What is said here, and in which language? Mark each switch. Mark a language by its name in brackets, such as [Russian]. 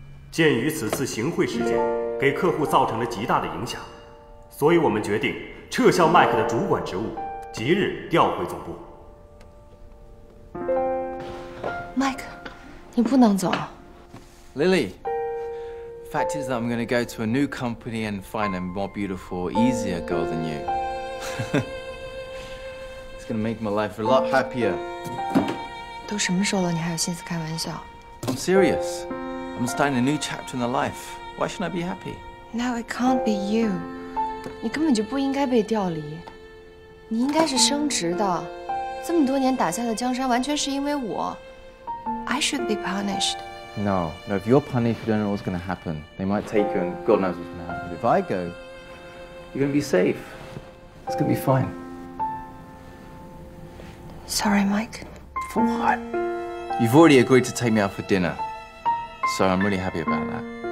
[Chinese] 鉴于此次行贿事件给客户造成了极大的影响，所以我们决定撤销麦克的主管职务，即日调回总部。麦克。你不能走 [English] ，Lily. Fact is, I'm going to go to a new company and find a more beautiful, easier girl than you. It's going to make my life a lot happier. [Chinese] 都什么时候了，你还有心思开玩笑 [English] ？I'm serious. I'm starting a new chapter in the life. Why shouldn't I be happy? No, it can't be you. [Chinese] 你根本就不应该被调离，你应该是升职的。这么多年打下的江山，完全是因为我。 [English] I should be punished. No, no. If you're punished, you don't know what's going to happen. They might take you, and God knows what's going to happen. But if I go, you're going to be safe. It's going to be fine. Sorry, Mike. For what? You've already agreed to take me out for dinner, so I'm really happy about that.